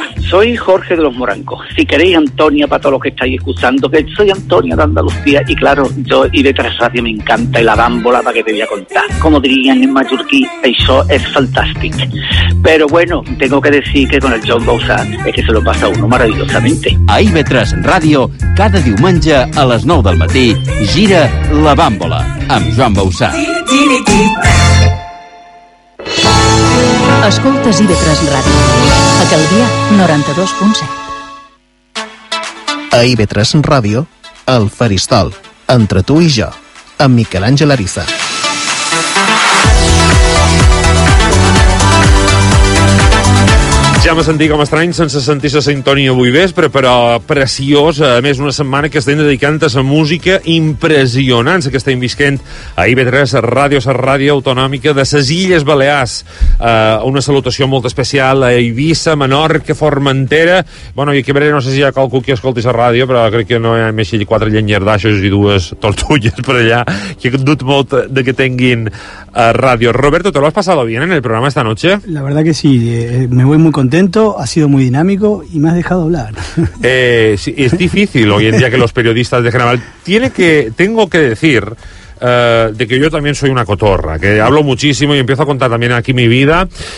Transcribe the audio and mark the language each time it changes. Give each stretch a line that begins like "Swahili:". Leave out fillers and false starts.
Spanish: Soy Jorge de los Morancos. Si queréis, Antonia, para todos los que estáis escuchando, que soy Antonia de Andalucía, y claro, yo y de Trasradio me encanta, y la bámbola, para que te voy a contar. Como dirían en mallorquí, eso es fantástico. Pero bueno, tengo que decir que con el John Bosa es que se lo pasa uno maravillosamente.
Catalan: A IB3 Radio, cada diumenge a les 9 del matí, gira la bámbola amb Joan Bosa. Escoltes IB3 Radio. A Calvià, 92.7. A IB3 Radio, El Faristol. Entre tu i jo, amb Miquel Àngel Arisa. Ja. ja me sentia com estrany sense sentir la sintonia avui vespre, però preciosa. A més, una setmana que estem dedicant a la música impressionant, que estem visquent a IB3 Ràdio, la ràdio autonòmica de les Illes Balears. Una salutació molt especial a Eivissa, Menorca, Formentera. Bueno, i aquí a Berena, no sé si hi ha qualcú que escolti la ràdio, però crec que no hi ha més així quatre llenyardaixos i dues tortulles per allà, que he dut molt de que tinguin ràdio.
Spanish: Roberto, ¿te lo has pasado bien en el programa esta noche? La verdad que sí, me voy muy contento, ha sido muy dinámico y me has dejado hablar. Sí, es difícil hoy en día que los periodistas dejen hablar. Tengo que decir de que yo también soy una cotorra, que hablo muchísimo y empiezo a contar también aquí mi vida.